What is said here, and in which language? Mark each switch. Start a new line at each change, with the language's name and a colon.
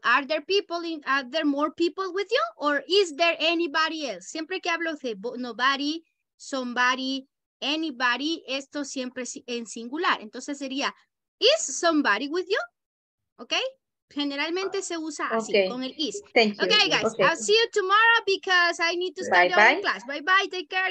English: Are there people in, are there more people with you? Or is there anybody else?
Spanish: Siempre que hablo de
English: nobody, somebody, anybody,
Spanish: esto siempre en singular. Entonces sería,
English: is somebody with you? ¿Ok?
Spanish: Generalmente se usa así, okay, con el is.
English: Thank you. Ok, guys. Okay. I'll see you tomorrow because I need to study on class. Bye-bye. Take care,